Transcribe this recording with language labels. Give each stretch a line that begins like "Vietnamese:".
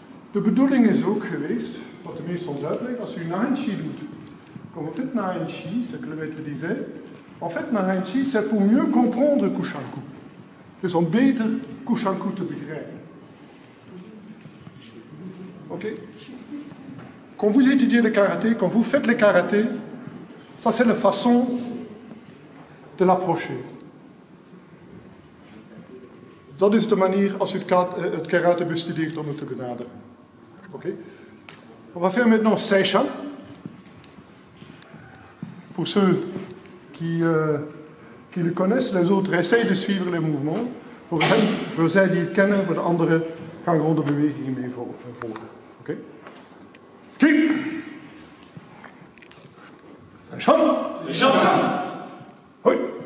Dutch: De bedoeling is ook geweest, wat de meeste ons uitlegt, als u Nanxi doet,
French: comme vous faites Nanxi, c'est que le maître disait, en fait Nanxi, c'est pour mieux comprendre Kushanku.
Dutch: Dus om beter Kushanku te begrijpen. Oké? Okay.
French: Quand vous étudiez le karaté, quand vous faites le karaté, ça c'est la façon de l'approcher.
Dutch: Dat is de manier als u het karaté bestudeert om het te benaderen. Oké?
French: Okay. On va faire maintenant Seisha. Pour ceux qui le connaissent, les autres essayent de suivre les mouvements.
Dutch: Voor hen, voor zij die het kennen, voor de anderen, gaan gewoon de bewegingen mee volgen. Oké? Okay? Ski! Seishan! Seishan! Hoi!